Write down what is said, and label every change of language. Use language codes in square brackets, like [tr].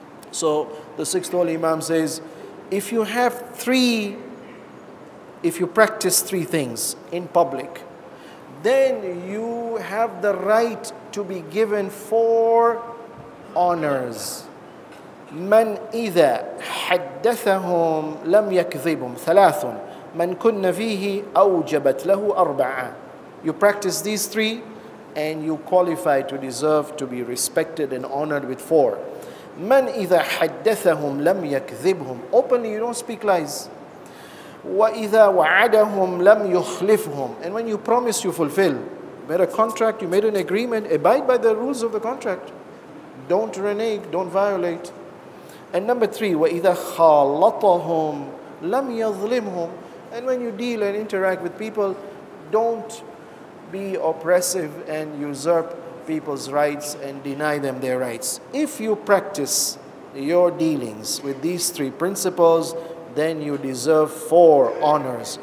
[en] So the sixth holy imam says, if you have three, if you practice three things in public, then you have the right to be given four honors. [ar] من إذا حدثهم لم يكذبهم ثلاث من كن فيه أوجبت له أربعة. [en] You practice these three and you qualify to deserve to be respected and honored with four. [ar] من إذا حدثهم لم يكذبهم. [en] Openly you don't speak lies. [ar] وَإِذَا وَعَدَهُمْ لَمْ يُخْلِفْهُمْ. [en] And when you promise, you fulfill. You made a contract, you made an agreement, abide by the rules of the contract. Don't renege, don't violate. And number three, [ar] وَإِذَا خَالَطَهُمْ لَمْ يَظْلِمْهُمْ. [en] And when you deal and interact with people, don't be oppressive and usurp people's rights and deny them their rights. If you practice your dealings with these three principles, then you deserve four honors.